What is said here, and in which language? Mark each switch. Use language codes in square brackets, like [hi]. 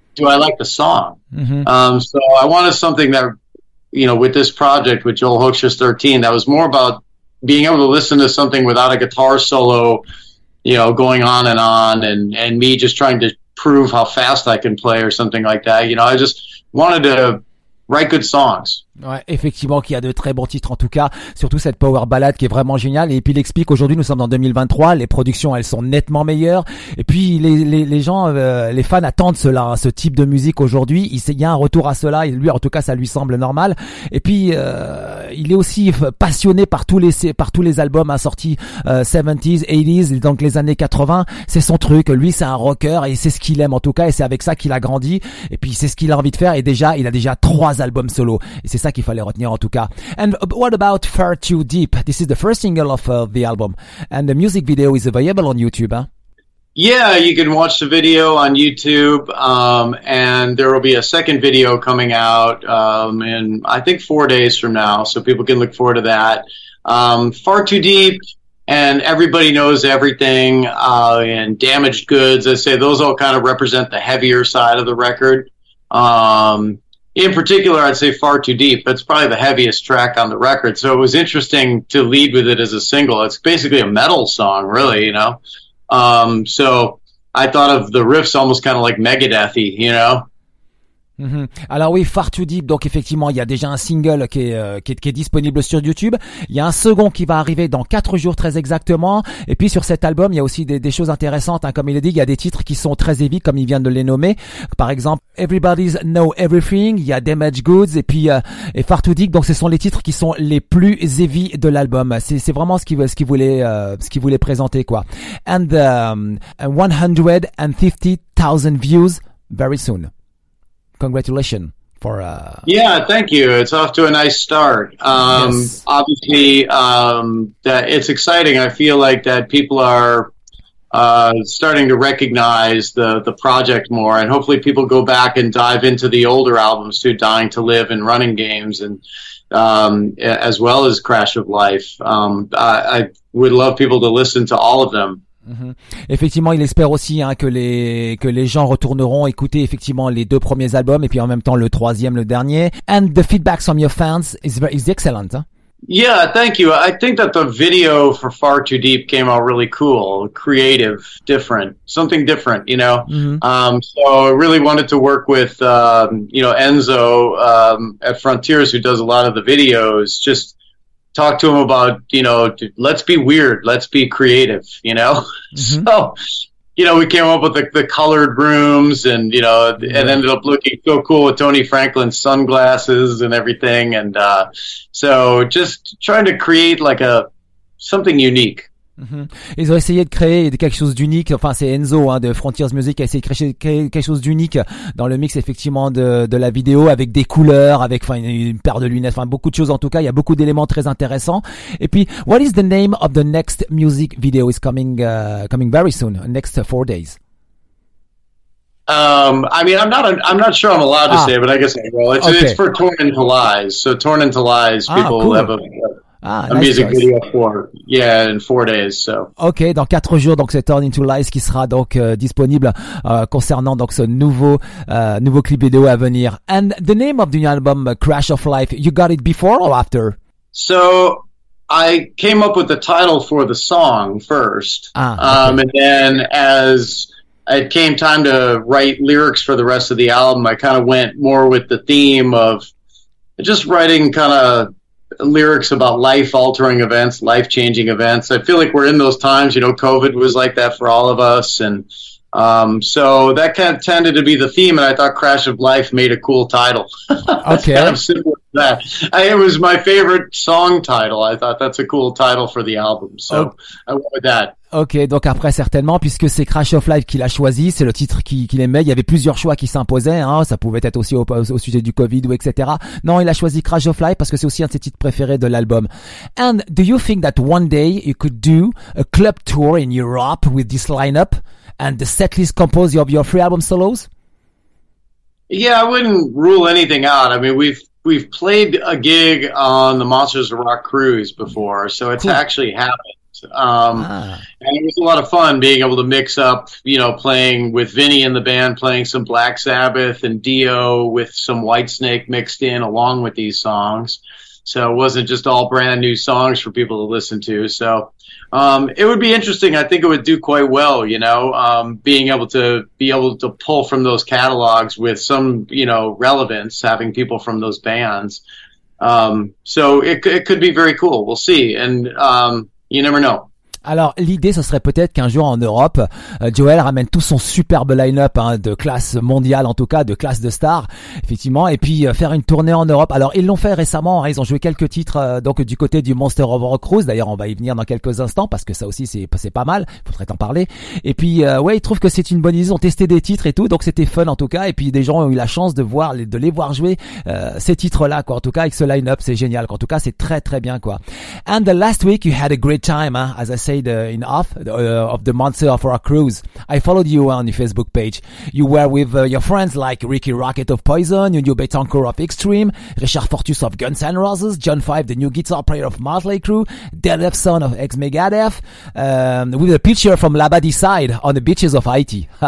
[en] Do I like the song? Mm-hmm. So I wanted something that, you know, with this project, with Joel Hoekstra's 13, that was more about being able to listen to something without a guitar solo, you know, going on, and me just trying to prove how fast I can play or something like that. You know, I just wanted to write good songs. [fr] Ouais, effectivement, qu'il y a de très bons titres, en tout cas, surtout cette power ballad qui est vraiment géniale. Et puis il explique, aujourd'hui nous sommes en 2023, les productions elles sont nettement meilleures, et puis les gens, les fans attendent cela, hein, ce type de musique aujourd'hui. Il y a un retour à cela, et lui en tout cas ça lui semble normal. Et puis il est aussi passionné par tous les albums, hein, sortis 70s, 80s, donc les années 80, c'est son truc. Lui c'est un rocker et c'est ce qu'il aime en tout cas, et c'est avec ça qu'il a grandi, et puis c'est ce qu'il a envie de faire. Et déjà il a déjà 3 albums solo. C'est ça qu'il fallait retenir en tout cas. [en] And what about Far Too Deep? This is the first single of the album. And the music video is available on YouTube, huh? Yeah, you can watch the video on YouTube. And there will be a second video coming out in, I think, 4 days from now. So people can look forward to that. Far Too Deep and Everybody Knows Everything and Damaged Goods. I say those all kind of represent the heavier side of the record. In particular, I'd say Far Too Deep. That's probably the heaviest track on the record. So it was interesting to lead with it as a single. It's basically a metal song, really, you know? So I thought of the riffs almost kind of like Megadeth-y, you know? Mm-hmm. [fr] Alors oui, Far Too Deep, donc effectivement il y a déjà un single qui est disponible sur YouTube. Il y a un second qui va arriver dans 4 jours très exactement. Et puis sur cet album il y a aussi des choses intéressantes, hein. Comme il a dit, il y a des titres qui sont très heavy, comme il vient de les nommer. Par exemple Everybody's Know Everything, il y a Damaged Goods et puis et Far Too Deep. Donc ce sont les titres qui sont les plus heavy de l'album. C'est vraiment ce qu'il voulait présenter, quoi. [en] And 150,000 views very soon. Congratulations for Yeah, thank you. It's off to a nice start. Yes. Obviously, that it's exciting. I feel like that people are starting to recognize the project more, and hopefully people go back and dive into the older albums too, Dying to Live and Running Games, and as well as Crash of Life. I would love people to listen to all of them. [fr] Effectivement, il espère aussi, hein, que les gens retourneront écouter effectivement les 2 premiers albums et puis en même temps le 3e, le dernier. [en] And the feedback from your fans is excellent. Yeah, thank you. I think that the video for Far Too Deep came out really cool, creative, different, something different, you know. Mm-hmm. So I really wanted to work with Enzo at Frontiers, who does a lot of the videos. Just talk to him about, let's be weird, let's be creative, you know? Mm-hmm. So, you know, we came up with the colored rooms and, you know, it ended up looking so cool with Tony Franklin's sunglasses and everything. And so just trying to create like something unique. Mm-hmm. [fr] Ils ont essayé de créer quelque chose d'unique. Enfin, c'est Enzo hein, de Frontiers Music qui a essayé de créer quelque chose d'unique dans le mix effectivement de la vidéo, avec des couleurs, avec enfin une paire de lunettes, enfin beaucoup de choses en tout cas. Il y a beaucoup d'éléments très intéressants. Et puis, [en] what is the name of the next music video? Is coming very soon. Next 4 days. I'm not sure I'm allowed to say, but I guess I will. It's for Torn Into Lies. So Torn Into Lies, people have a music video in four days. So. [fr] Ok, dans 4 jours, donc c'est Torn Into Lies qui sera donc disponible concernant donc ce nouveau clip vidéo à venir. [en] And the name of the new album, Crash of Life, you got it before or after? So I came up with the title for the song first, and then as it came time to write lyrics for the rest of the album, I kind of went more with the theme of just writing kind of lyrics about life-altering events, life-changing events. I feel like we're in those times. You know, COVID was like that for all of us. And so that kind of tended to be the theme, and I thought Crash of Life made a cool title. Okay. Kind of similar to that. It was my favorite song title. I thought that's a cool title for the album. So I went with that. [fr] Ok, donc après certainement, puisque c'est Crash of Life qu'il a choisi, c'est le titre qu'il aimait, il y avait plusieurs choix qui s'imposaient, hein, ça pouvait être aussi au sujet du Covid ou etc. Non, il a choisi Crash of Life parce que c'est aussi un de ses titres préférés de l'album. [en] And do you think that one day you could do a club tour in Europe with this lineup and the setlist composed of your 3 album solos? Yeah, I wouldn't rule anything out. I mean, we've played a gig on the Monsters of Rock cruise before, so it's actually happened. And it was a lot of fun being able to mix up, you know, playing with Vinny in the band, playing some Black Sabbath and Dio with some Whitesnake mixed in along with these songs. So it wasn't just all brand new songs for people to listen to. So it would be interesting. I think it would do quite well, you know, being able to pull from those catalogs with some, you know, relevance, having people from those bands. So it could be very cool. We'll see. And you never know. [fr] Alors l'idée, ce serait peut-être qu'un jour en Europe, Joel ramène tout son superbe line-up hein, de classe mondiale en tout cas, de classe de star, effectivement, et puis faire une tournée en Europe. Alors ils l'ont fait récemment, hein, ils ont joué quelques titres donc du côté du Monster of Rock Cruise. D'ailleurs, on va y venir dans quelques instants parce que ça aussi c'est pas mal. Il faudrait en parler. Et puis ouais, ils trouvent que c'est une bonne idée. Ils ont testé des titres et tout, donc c'était fun en tout cas. Et puis des gens ont eu la chance de les voir jouer ces titres-là quoi. En tout cas, avec ce line-up, c'est génial. En tout cas, c'est très très bien quoi. [en] And the last week you had a great time, hein, as I said. Of the Monster of Rock Cruise, I followed you on the Facebook page. You were with your friends like Ricky Rocket of Poison, Nuno Betancourt of Extreme, Richard Fortus of Guns N' Roses, John Five, the new guitar player of Motley Crue, Dead Epson of X Megadeth, with a picture from Labadie Side on the beaches of Haiti.